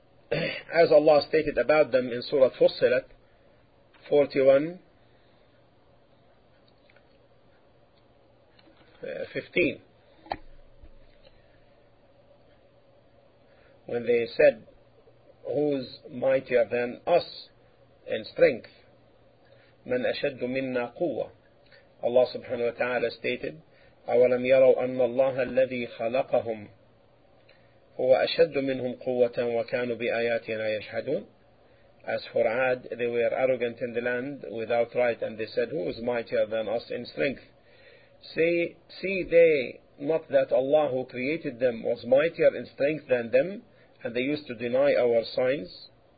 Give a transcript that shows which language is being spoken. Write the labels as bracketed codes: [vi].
[en] As Allah stated about them in Surah Fussilat 41:15, when they said, who's mightier than us in strength? [ar] من أشد منا قوة. Allah subhanahu wa ta'ala [en] stated, [ar] أولم يروا أن الله الذي خلقهم هو أشد منهم قوة وكانوا بآياتنا يجحدون. [en] As for Ad, they were arrogant in the land without right, and they said, who is mightier than us in strength? See they not that Allah who created them was mightier in strength than them, and they used to deny our signs.